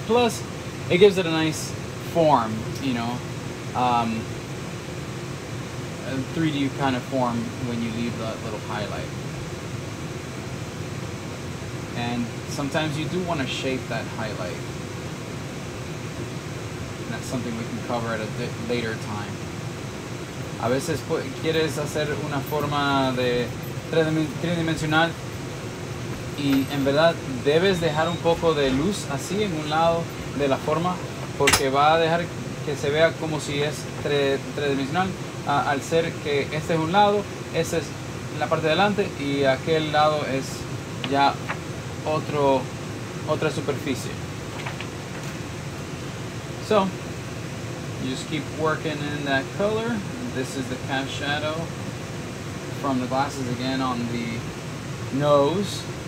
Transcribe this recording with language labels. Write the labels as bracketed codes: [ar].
[en] Plus, it gives it a nice form, you know, a 3D kind of form when you leave that little highlight. And sometimes you do want to shape that highlight. And that's something we can cover at a later time. [es] A veces quieres hacer una forma de tridimensional y en verdad debes dejar un poco de luz así en un lado de la forma, porque va a dejar que se vea como si es tridimensional, al ser que este es un lado, esta es la parte de delante y aquel lado es ya otra superficie. [en] So, you just keep working in that color. This is the cast shadow from the glasses again on the nose.